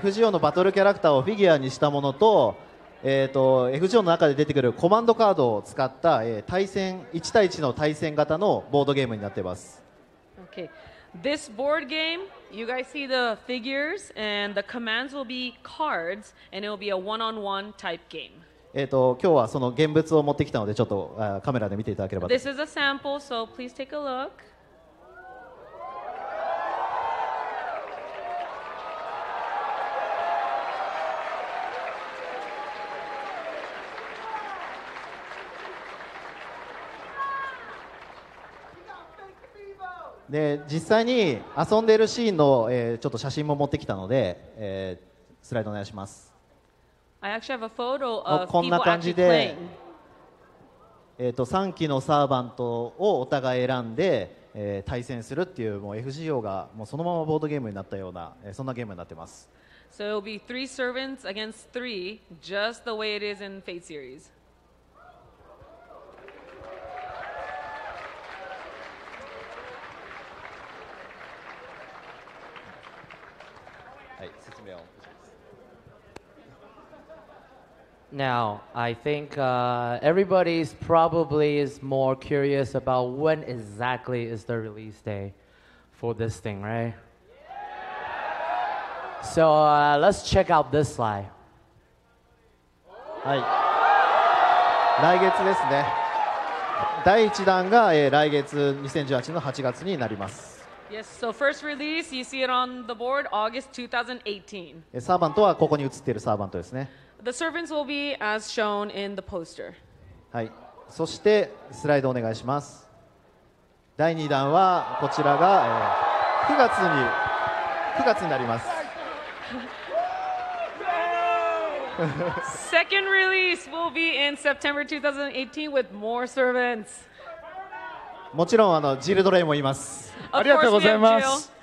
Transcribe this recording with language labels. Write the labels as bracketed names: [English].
[Japanese] FGO のバトルキャラクターをフィギュアにしたものと、FGO の中で出てくるコマンドカードを使った、対戦1対1の対戦型のボードゲームになっています。 [English] Okay. This board game, you guys see the figures and the commands will be cards and it will be a one-on-one type game. [Japanese] 今日はその現物を持ってきたのでちょっとカメラで見ていただければ。 [English] This is a sample, so please take a look. [Japanese] で実際に遊んでいるシーンの、ちょっと写真も持ってきたので、スライドお願いします。 [English] I actually have a photo of people actually playing. [Japanese] こんな感じで、 3機のサーバントをお互い選んで、対戦するっていう、もう FGO がもうそのままボードゲームになったような、そんなゲームになってます。 [English] So it'll be three servants against three, just the way it is in Fate series. [Japanese] はい、説明を。 [English] Now, I think everybody is probably more curious about when exactly is the release day for this thing, right? Yeah! So, let's check out this slide. [Japanese] はい。来月ですね。第1弾が、来月2018年の8月になります。 [English] Yes, so first release, you see it on the board, August 2018. [Japanese] サーバントはここに写っているサーバントですね。 [English] The servants will be as shown in the poster. [Japanese] はい。そしてスライドお願いします。第2弾はこちらが、9月になります。 [English] Second release will be in September 2018 with more servants. [Japanese] もちろんジルドレイもいます。ありがとうございます。